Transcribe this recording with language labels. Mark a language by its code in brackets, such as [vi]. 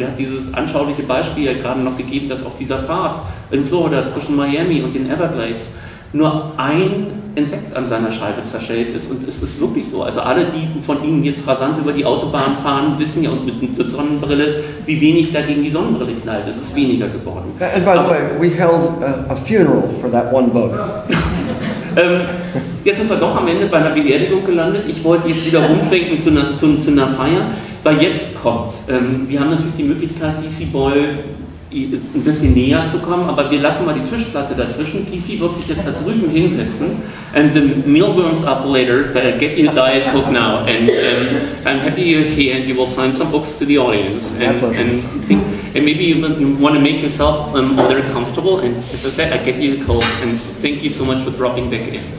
[de] Und er hat dieses anschauliche Beispiel ja gerade noch gegeben, dass auf dieser Fahrt in Florida zwischen Miami und den Everglades nur ein Insekt an seiner Scheibe zerschellt ist. Und es ist wirklich so. Also alle, die von Ihnen jetzt rasant über die Autobahn fahren, wissen ja, und mit der Sonnenbrille, wie wenig da gegen die Sonnenbrille knallt. Es ist weniger geworden. [en] And by the way, we held a funeral for that one bug. [de] Jetzt sind wir doch am Ende bei einer Beerdigung gelandet. Ich wollte jetzt wieder umdenken zu einer Feier, weil jetzt kommt's. Sie haben natürlich die Möglichkeit, T.C.Boyle ein bisschen näher zu kommen, aber wir lassen mal die Tischplatte dazwischen. T.C. wird sich jetzt da drüben hinsetzen. [en] And the mealworms are for later, but get your diet cook now. And I'm happy you're here and you will sign some books to the audience. And maybe you want to make yourself very comfortable. And as I said, I get you a cold. And thank you so much for dropping back in.